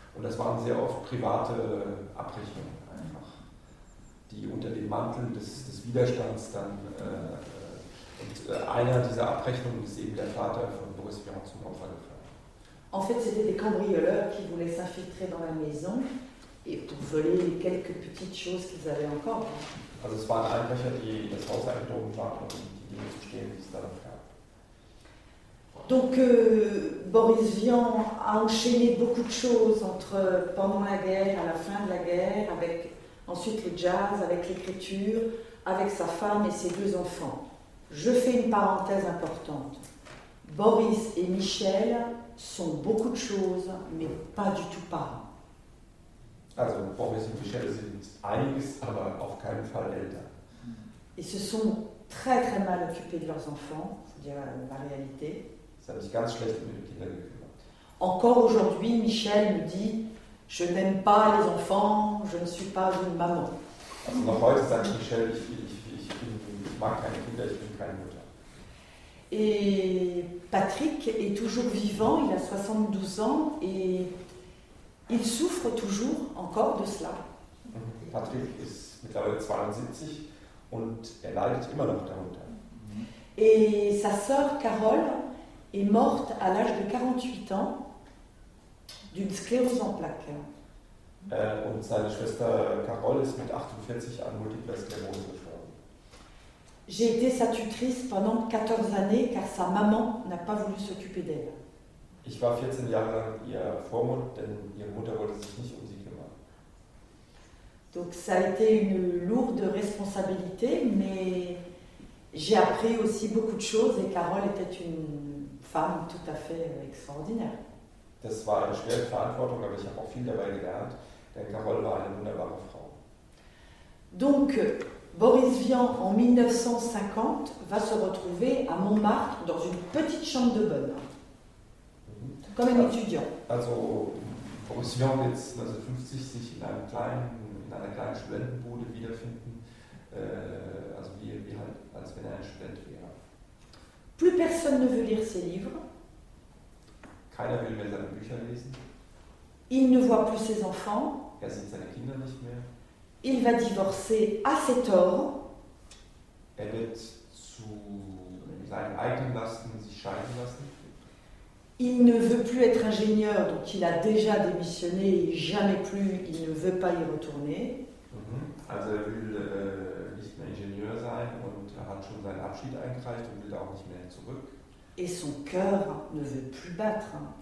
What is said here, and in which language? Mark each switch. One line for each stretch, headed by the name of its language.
German: Und das waren sehr oft private Abrechnungen einfach, die unter dem Mantel des Widerstands dann, und einer dieser Abrechnungen ist eben der Vater von Boris Vian zum Opfer gefallen.
French: En fait, c'était des cambrioleurs qui voulaient s'infiltrer dans la maison. Et pour voler les quelques petites choses qu'ils avaient encore.
German: Also, es waren Einbrecher, die das Haus eingedrungen waren, um die Dinge zu stehlen, die es da noch gab.
French: Donc, Boris Vian a enchaîné beaucoup de choses entre pendant la guerre, à la fin de la guerre, avec ensuite le jazz, avec l'écriture, avec sa femme et ses deux enfants. Je fais une parenthèse importante. Boris et Michel sont beaucoup de choses, mais pas du tout parents.
German: Also Boris und Michel sind einiges, aber auf keinen Fall Eltern.
French: Ils se sont très très mal occupés de leurs enfants, c'est-à-dire la réalité.
German: Sie haben sich ganz schlecht um ihre Kinder gekümmert.
French: Encore aujourd'hui, Michel me dit, je n'aime pas les enfants, je ne suis pas une maman.
German: Also noch heute sagt Michel, ich mag keine Kinder, ich bin keine Mutter.
French: Et Patrick est toujours vivant, il a 72 ans et il souffre toujours encore de cela.
German: Patrick ist mittlerweile 72 und er leidet immer noch darunter.
French: Et sa sœur Carole est morte à l'âge de 48 ans d'une sclérose en plaques.
German: Und seine Schwester Carole ist mit 48 an multiple Sklerose gestorben.
French: J'ai été sa tutrice pendant 14 années car sa maman n'a pas voulu s'occuper d'elle.
German: Ich war 14 Jahre lang ihr Vormund, denn ihre Mutter wollte sich nicht um sie kümmern.
French: Donc ça a été une lourde responsabilité, mais J'ai appris aussi beaucoup de choses et Carole était une femme tout à fait extraordinaire.
German: Das war eine schwere Verantwortung, aber ich habe auch viel dabei gelernt, denn Carole war eine wunderbare Frau.
French: Donc, Boris Vian, en 1950, va se retrouver à Montmartre dans une petite chambre de bonne, comme un étudiant.
German: Also, Boris Vian wird 1950 sich in einer kleinen Studentenbude wiederfinden, also wie halt, als wenn ein Student wäre.
French: Plus personne ne veut lire ses livres.
German: Keiner will mehr seine Bücher lesen.
French: Il ne voit plus ses enfants.
German: Er sieht seine Kinder nicht mehr.
French: Il va divorcer à ses torts.
German: Er wird zu seinen eigenen Lasten sich scheiden lassen.
French: Il ne veut plus être ingénieur, donc il a déjà démissionné et jamais plus il ne veut pas y retourner.
German: Also er will nicht mehr Ingenieur sein und er hat schon seinen Abschied eingereicht und will da auch nicht mehr zurück.
French: Et son cœur ne veut plus battre.